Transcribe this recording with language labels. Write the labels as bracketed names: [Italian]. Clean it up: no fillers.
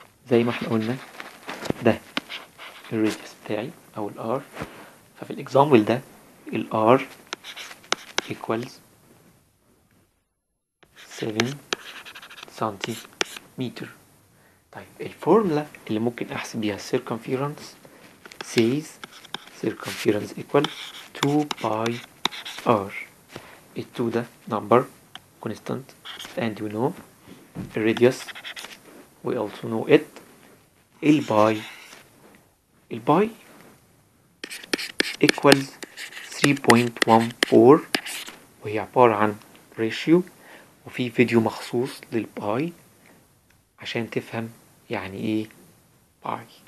[Arabic] زي ما احنا قلنا ده الريديوس بتاعي او الار، ففي الاكزامبل ده الار equals 7 سنتيمتر. طيب الفورمولا اللي ممكن احسب بيها [English] circumference says circumference equal 2 pi r. [Arabic] ال 2 ده [English] number constant and we know radius we also know it. [Arabic] الباي الباي equals 3.14 وهي عبارة عن ratio، وفي فيديو مخصوص للباي عشان تفهم يعني ايه باي.